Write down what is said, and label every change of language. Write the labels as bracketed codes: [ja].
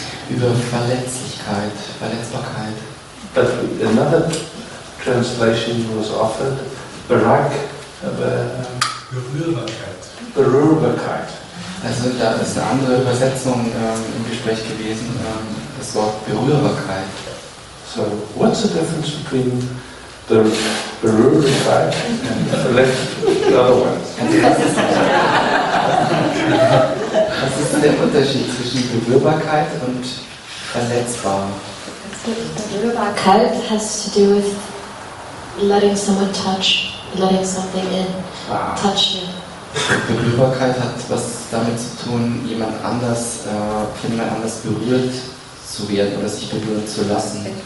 [de] Über Verletzlichkeit, Verletzbarkeit. [en] But another translation was offered, [de] Berührbarkeit. Berührbarkeit. Also da ist eine andere Übersetzung im Gespräch gewesen, das Wort Berührbarkeit. [en] So, what's the difference between the Berührbarkeit and [de] Was ist der Unterschied zwischen Berührbarkeit und Verletzbar? [en] Berührbarkeit has to do with letting someone touch, letting something in, touch you. [de] Berührbarkeit hat was damit zu tun, jemand anders berührt zu werden oder sich berühren zu lassen.